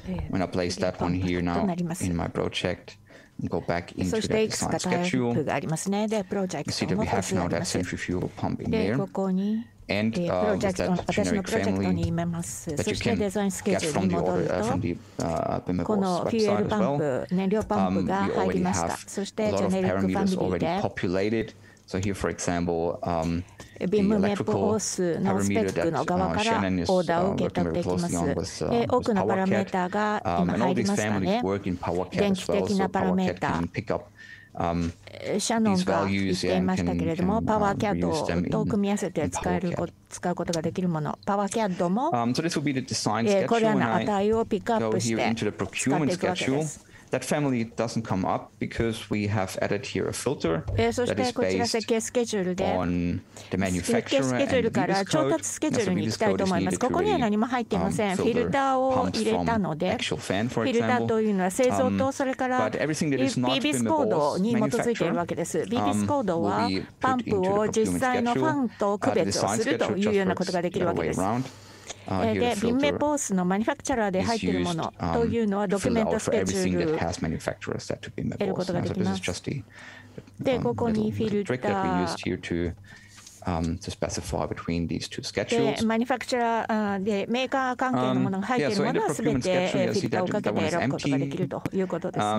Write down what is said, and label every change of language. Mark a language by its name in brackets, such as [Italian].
[English] When I place that one here now in my project, and go back into the design schedule, you see that we have now that centrifugal pump in there. And with that generic family that you can get from the order, from the BIM-MEP AUS website as well, we already have a lot of parameters already populated. So here, for example, [Japanese] ビームメップオースのスペックの側からオーダーを受け取ってきます。多くのパラメーターが今入りますかね。電気的なパラメーター。シャノンが言っていましたけれども、パワーキャッドと組み合わせて使うことができるもの、パワーキャッドもこれらの値をピックアップして使っていくわけです。 [English] That family doesn't come up because we have added here a filter that is based on the manufacturer and the release code. So the release code is needed to create filter pumps from actual fan, for example. But everything that is not BIM-MEP AUS manufacturer will be put into the procurement schedule. BIM-MEP AUS code will be put into the procurement schedule. The design schedule just works the other way around. [Japanese] でビンメポースのマニファクチャラーで入っているものというのはドキュメントスケジュールを得ることができます。で、ここにフィルター。 [English] To specify between these two schedules. [Japanese] で、マニファクチャラーでメーカー関係のものが入っているものはすべてフィルターをかけて選ぶことができるということですね。